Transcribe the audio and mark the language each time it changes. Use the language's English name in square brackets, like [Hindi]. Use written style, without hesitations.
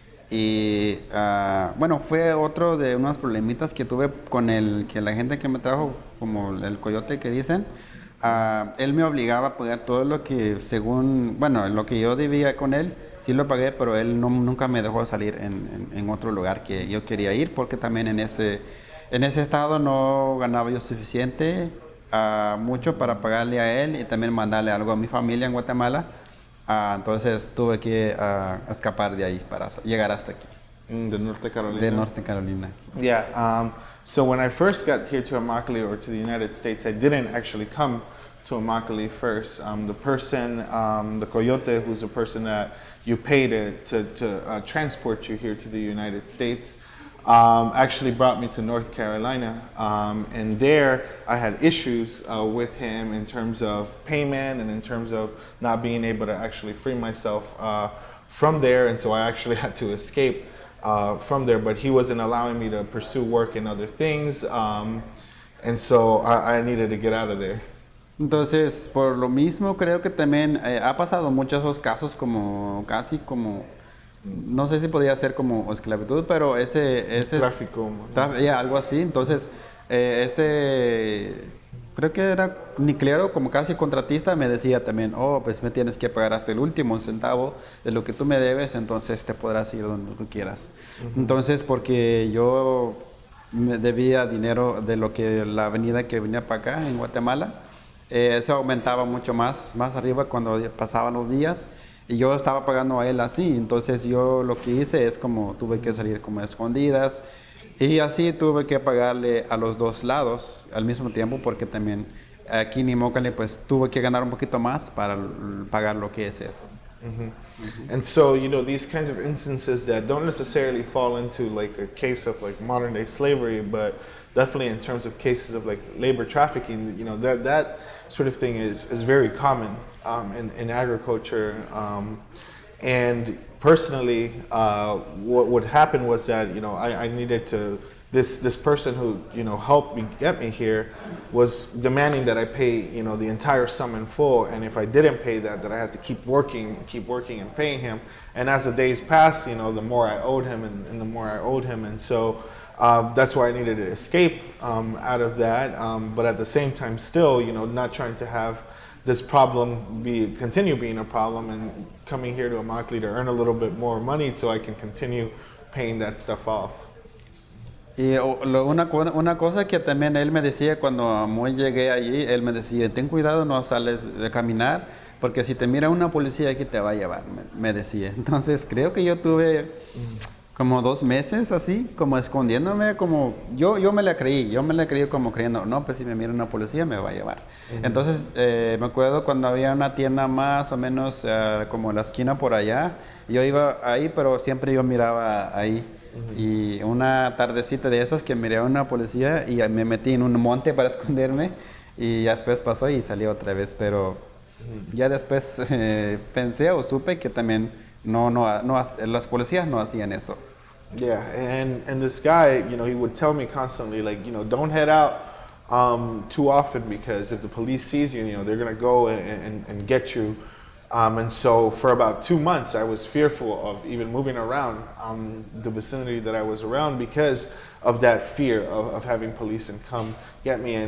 [Spanish] Y bueno, fue otro de unos problemitas que tuve con el que la gente que me trajo, como el coyote que dicen, él me obligaba a pagar todo lo que según, bueno, lo que yo debía con él, sí lo pagué, pero él nunca me dejó salir en otro lugar que yo quería ir, porque también en ese estado no ganaba yo suficiente, mucho para pagarle a él y también mandarle algo a mi familia en Guatemala. Entonces tuve que escapar de ahí para llegar hasta aquí. De Norte Carolina. Yeah. [English] So when I first got here to Immokalee or to the United States, I didn't actually come to Immokalee first. The person, the coyote, who's the person that you pay to transport you here to the United States, actually brought me to North Carolina. And there I had issues with him in terms of payment and in terms of not being able to actually free myself from there. And so I actually had to escape from there, but he wasn't allowing me to pursue work and other things. And so I needed to get out of there. [Spanish] Entonces, por lo mismo, creo que también ha pasado muchos esos casos como casi como, no sé si podría ser como esclavitud, pero ese tráfico, algo así. Entonces, ese creo que era ni claro, como casi contratista, me decía también, oh, pues me tienes que pagar hasta el último centavo de lo que tú me debes, entonces te podrás ir donde tú quieras. Uh-huh. Entonces, porque yo me debía dinero de lo que la avenida que venía para acá en Guatemala, eso aumentaba mucho más arriba cuando pasaban los días. Y yo estaba pagando a él así, entonces yo lo que hice es como tuve que salir como escondidas y así tuve que pagarle a los dos lados al mismo tiempo, porque también aquí en Immokalee pues tuve que ganar un poquito más para pagar lo que es eso. Mm-hmm. [English] And so, you know, these kinds of instances that don't necessarily fall into like a case of like modern day slavery, but definitely in terms of cases of like labor trafficking, you know, that sort of thing is very common. In agriculture, and personally, what would happen was that, you know, I needed to, this person who, you know, helped me get me here was demanding that I pay, you know, the entire sum in full, and if I didn't pay that I had to keep working and paying him, and as the days passed, you know, the more I owed him and the more I owed him, and so that's why I needed to escape out of that, but at the same time still, you know, not trying to have this problem continue being a problem and coming here to Immokalee to earn a little bit more money so I can continue paying that stuff off. [Spanish] Y una cosa que también él me decía cuando muy llegué allí, él me decía, ten cuidado, no sales de caminar, porque si te mira una policía aquí te va a llevar, me decía. Entonces creo que yo tuve como 2 meses así, como escondiéndome, como yo me la creí como creyendo, no, pues si me mira una policía me va a llevar. Uh-huh. Entonces me acuerdo cuando había una tienda más o menos como la esquina por allá, yo iba ahí, pero siempre yo miraba ahí. Y una tardecita de esos que miré a una policía y me metí en un monte para esconderme y ya después pasó y salí otra vez, pero ya después pensé o supe que también no las policías no hacían eso. [English] Yeah, and this guy, you know, he would tell me constantly, like, you know, don't head out too often because if the police sees you, you know, they're gonna go and get you. And so for about 2 months, I was fearful of even moving around the vicinity that I was around because of that fear of having police and come get me.